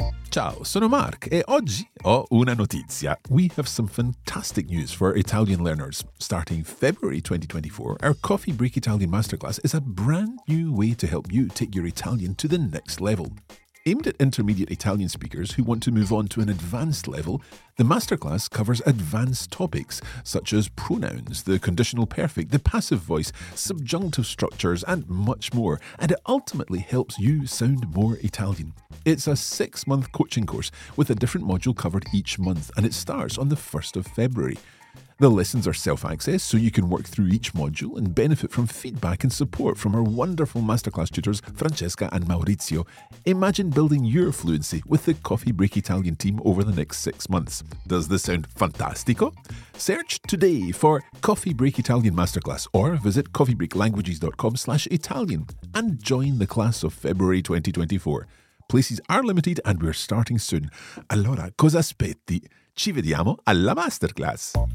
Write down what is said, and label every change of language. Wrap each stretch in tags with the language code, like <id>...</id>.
<it>Ciao, sono Mark e oggi ho una notizia.</it> <en>We have some fantastic news for Italian learners. Starting February 2024, our Coffee Break Italian Masterclass is a brand new way to help you take your Italian to the next level. Aimed at intermediate Italian speakers who want to move on to an advanced level, the masterclass covers advanced topics such as pronouns, the conditional perfect, the passive voice, subjunctive structures, and much more, and it ultimately helps you sound more Italian. It's a six-month coaching course with a different module covered each month, and it starts on the 1st of February. The lessons are self-access, so you can work through each module and benefit from feedback and support from our wonderful masterclass tutors, Francesca and Maurizio. Imagine building your fluency with the Coffee Break Italian team over the next 6 months. Does this sound fantastico? Search today for Coffee Break Italian Masterclass or visit coffeebreaklanguages.com/Italian and join the class of February 2024. Places are limited and we're starting soon.</en> <it>Allora, cosa aspetti? Ci vediamo alla masterclass.</it>